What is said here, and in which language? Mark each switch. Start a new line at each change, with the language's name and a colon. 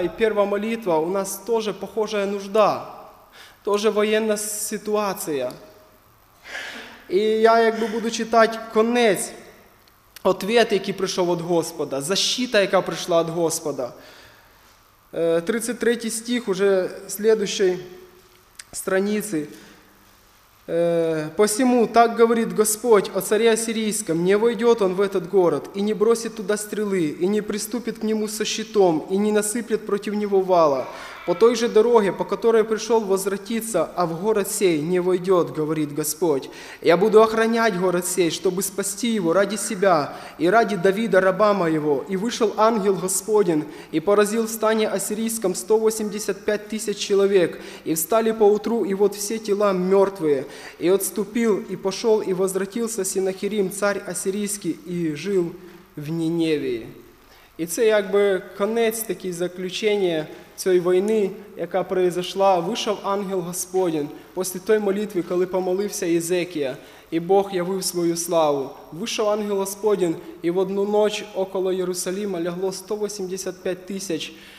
Ukrainian: І перша молитва, у нас теж похожа нужда, теж воєнна ситуація. І я, якби буду читати конець, відповідь, який прийшов від Господа, защита, яка прийшла від Господа. 33 стих, уже слідуючий страниці.
Russian: «Посему, так говорит Господь о царе Ассирийском, не войдет он в этот город, и не бросит туда стрелы, и не приступит к нему со щитом, и не насыплет против него вала. По той же дороге, по которой пришел, возвратиться, а в город сей не войдет, говорит Господь. Я буду охранять город сей, чтобы спасти его ради себя и ради Давида, раба моего. И вышел ангел Господень и поразил в стане ассирийском 185 тысяч человек. И встали поутру, и вот все тела мертвые. И отступил, и пошел, и возвратился Сеннахерим, царь ассирийский, и жил в Ниневии».
Ukrainian: І це якби кінець, таке заключення цієї війни, яка произошла. Вийшов ангел Господень після тої молитви, коли помолився Єзекія, і Бог явив свою славу. Вийшов ангел Господень, і в одну ніч около Єрусалима лягло 185 тисяч.